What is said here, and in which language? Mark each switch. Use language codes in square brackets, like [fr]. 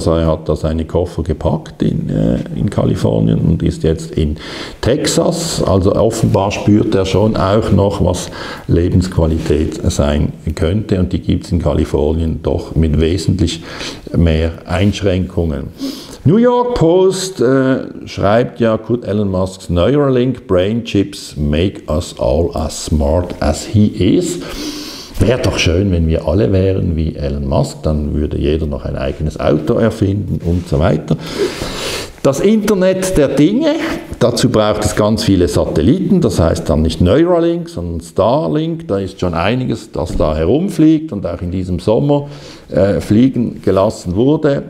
[de] Also er hat da seine Koffer gepackt in Kalifornien und ist jetzt in Texas. Also offenbar spürt er schon auch noch, was Lebensqualität sein könnte. Und die gibt es in Kalifornien doch mit wesentlich mehr Einschränkungen. [en] New York Post [de] schreibt ja, [en] could Elon Musk's Neuralink brain chips make us all as smart as he is? [de] Wäre doch schön, wenn wir alle wären wie Elon Musk, dann würde jeder noch ein eigenes Auto erfinden und so weiter. Das Internet der Dinge, dazu braucht es ganz viele Satelliten, das heißt dann nicht Neuralink, sondern Starlink, da ist schon einiges, das da herumfliegt und auch in diesem Sommer fliegen gelassen wurde.